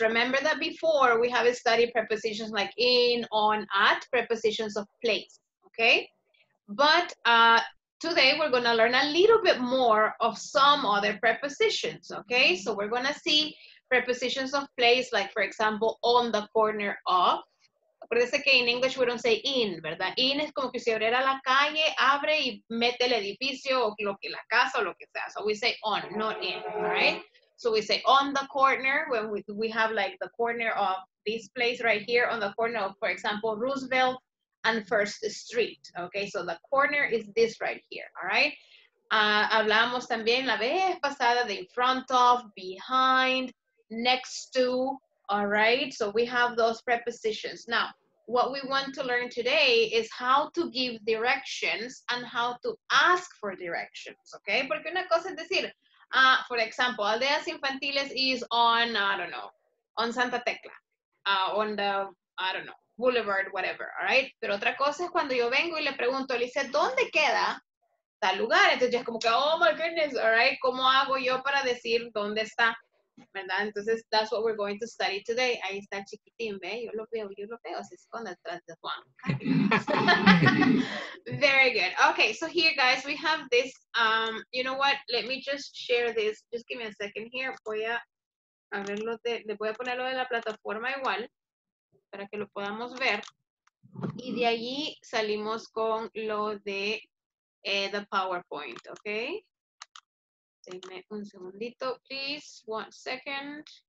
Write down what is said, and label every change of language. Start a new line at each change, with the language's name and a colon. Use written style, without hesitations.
English: Remember that before we have studied prepositions like in, on, at, prepositions of place, okay? But today we're going to learn a little bit more of some other prepositions, okay? So we're going to see prepositions of place, like for example, on the corner of.
Spanish: Acuérdense que
English: in English we don't say in,
Spanish: ¿verdad? In es como que si abriera la calle, abre y mete el edificio o lo que la casa o lo que sea.
English: So we say on, not in, all right? So we say on the corner, when we have like the corner of this place right here, on the corner of, for example, Roosevelt and First Street. Okay, so the corner is this right here, all right?
Spanish: Hablamos también la vez pasada de
English: in front of, behind, next to, all right? So we have those prepositions. Now, what we want to learn today is how to give directions and how to ask for directions, okay?
Spanish: Porque una cosa es decir,
English: for example, Aldeas Infantiles is on, I don't know, on Santa Tecla, on the, I don't know, boulevard, whatever, all right?
Spanish: Pero otra cosa es cuando yo vengo y le pregunto, le dice, ¿dónde queda tal lugar? Entonces ya es como que,
English: oh my goodness, all right,
Spanish: ¿cómo hago yo para decir dónde está? ¿Verdad?
English: Entonces, that's what we're going to study today.
Spanish: Ahí está el chiquitín, ¿ve? Yo lo veo, se esconde atrás de Juan.
English: Very good. Okay, so here, guys, we have this, you know what? Let me just share this. Just give me a second here.
Spanish: Voy a verlo, le voy a poner lo de la plataforma igual, para que lo podamos ver. Y de allí salimos con lo de the PowerPoint, okay? Denme un segundito,
English: please. One second.